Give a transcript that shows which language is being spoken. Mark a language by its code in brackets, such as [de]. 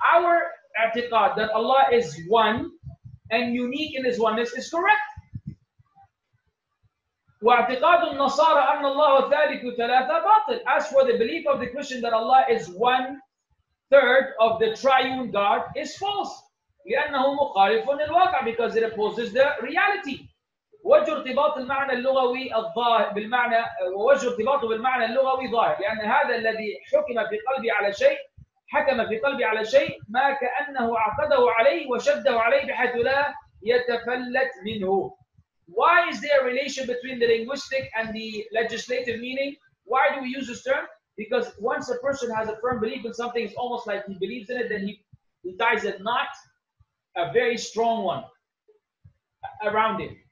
[en] Our i'tiqad that Allah is one and unique in His oneness is correct. [ar] وَاعْتِقَادُ النَّصَارَ أَنَّ اللَّهَ ثَالِثُ ثَلَاثَ بَاطِلٌ. [en] As for the belief of the Christian that Allah is one third of the triune God is false. [ar] لِأَنَّهُ مُقَارِفٌ لِلْوَاقَعِ, [en] because it opposes the reality. [ar] وجه ارتباط المعنى اللغوي الظاهر بالمعنى ووجه ارتباطه بالمعنى اللغوي ظاهر, لأن هذا الذي حكم في قلبي على شيء حكم في قلبي على شيء ما كأنه عقده عليه وشده عليه بحيث لا يتفلت منه. [en] Why is there a relation between the linguistic and the legislative meaning? Why do we use this term? Because once a person has a firm belief in something, it's almost like he believes in it, then he ties a knot, a very strong one, around it.